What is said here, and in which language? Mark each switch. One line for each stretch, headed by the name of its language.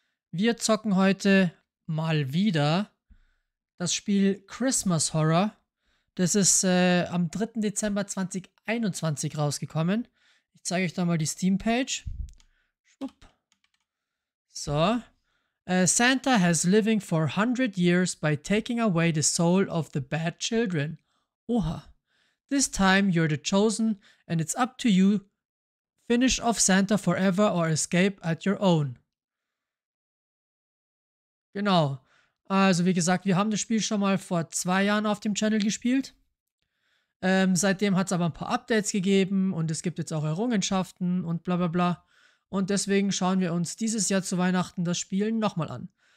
German: Wir zocken heute mal wieder das Spiel Christmas Horror. Das ist am 3. Dezember 2021 rausgekommen. Ich zeige euch da mal die Steam-Page. Schwupp. So.
English: Santa has living for 100 years by taking away the soul of the bad children. Oha. This time you're the chosen and it's up to you. Finish off Santa forever or escape at your own.
German: Genau. Also wie gesagt, wir haben das Spiel schon mal vor 2 Jahren auf dem Channel gespielt. Seitdem hat es aber ein paar Updates gegeben und es gibt jetzt auch Errungenschaften und bla bla bla. Und deswegen schauen wir uns dieses Jahr zu Weihnachten das Spiel nochmal an.